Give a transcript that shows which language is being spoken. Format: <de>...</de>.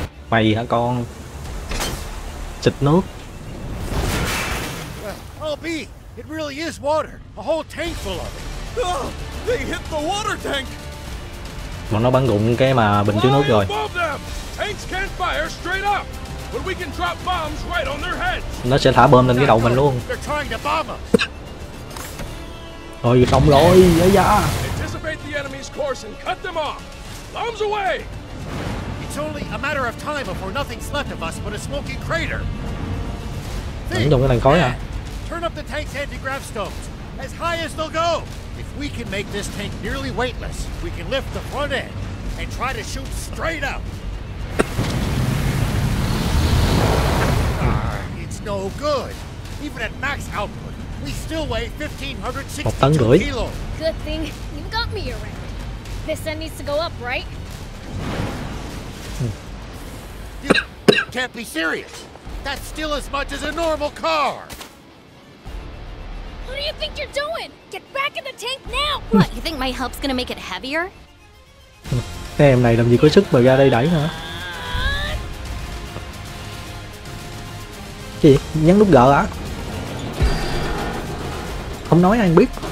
<vi>Mày hả con? Xịt nước.</vi> <en>LB, it really is water. A whole tank full of it. They hit the water tank.</en> <vi>Mà nó bắn rụng cái mà bình chứa nước rồi.</vi> <en>Tanks can't fire straight up, but we can drop bombs right on their heads.</en> <vi>Nó sẽ thả bom lên cái đầu mình luôn.</vi> <en>They're trying to bomb us.</en> <vi>Thôi xong rồi, dạ dạ.</vi> <en>Anticipate the enemy's course and cut them off. Bombs away. It's only a matter of time before nothing's left of us but a smoking crater.</en> <vi>Ấn dùng cái làn khói à?</vi> <en>Turn up the tank's anti-grav stones as high as they'll go. If we can make this tank nearly weightless, we can lift the front end and try to shoot straight up. It's no good. Even at max output, we still weigh 1,562 kilos. Good thing you got me around. This end needs to go up, right? You can't be serious. That's still as much as a normal car. What do you think you're doing? Get back in the tank now! What, you think my help's gonna make it heavier?</en> <vi>Em này làm gì có sức mà ra đây đẩy hả? Cái gì? Nhấn nút gỡ hả? Không nói ai biết.</vi>